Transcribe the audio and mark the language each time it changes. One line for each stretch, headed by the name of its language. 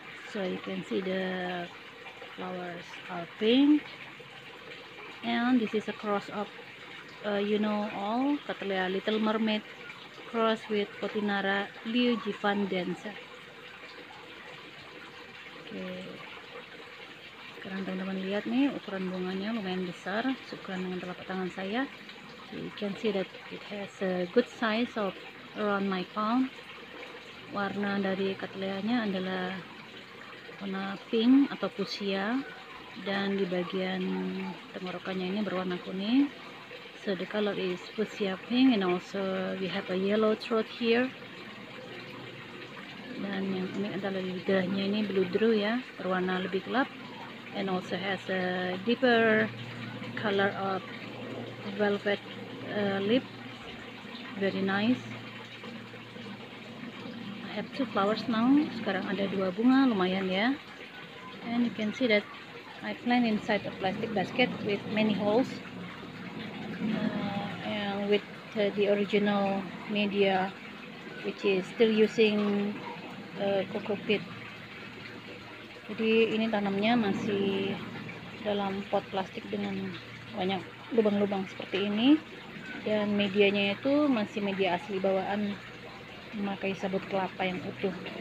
English: So you can see the flowers are pink, and this is a cross of you know all Cattleya Little Mermaid cross with Potinara Liu Jifan Dancer.
Indonesian: Sekarang teman-teman lihat nih, ukuran bunganya lumayan besar, seukuran dengan telapak tangan saya.
English: So you can see that it has a good size of around my palm.
Indonesian: Warna dari Cattleya-nya adalah warna pink atau fuchsia, dan di bagian tenggorokannya ini berwarna kuning.
English: So the color is fuchsia pink, and also we have a yellow throat here.
Indonesian: Dan yang ini adalah lidahnya ini blue drew ya, berwarna lebih gelap,
English: and also has a deeper color of velvet lip, very nice. I have two flowers now,
Indonesian: sekarang ada dua bunga, lumayan ya.
English: And you can see that I plant inside a plastic basket with many holes, and with the original media which is still using kokopit.
Indonesian: Jadi ini tanamnya masih dalam pot plastik dengan banyak lubang-lubang seperti ini, dan medianya itu masih media asli bawaan memakai sabut kelapa yang utuh.